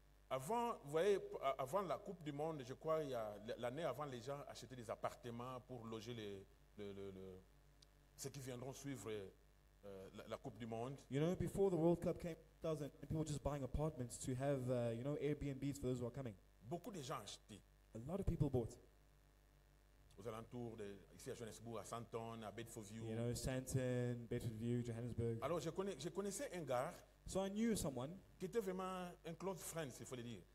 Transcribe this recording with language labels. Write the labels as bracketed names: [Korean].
[French] Avant, vous voyez, avant la Coupe du Monde, je crois, il y a l'année avant, les gens achetaient des appartements pour loger ceux qui viendront suivre la Coupe du Monde. [English] You know, before the World Cup came, people were just buying apartments to have, you know, Airbnbs for those who are coming. [French] Beaucoup de gens achetaient. [English] A lot of people bought. [French] Aux alentours de, ici à Johannesburg, à Sandton, à Bedfordview. [English] You know, Sandton, Bedfordview, Johannesburg. [French] Alors, je connaissais un gars. [English] So I knew someone. [French] Qui était vraiment un [English] close friend, [French] s'il faut le dire.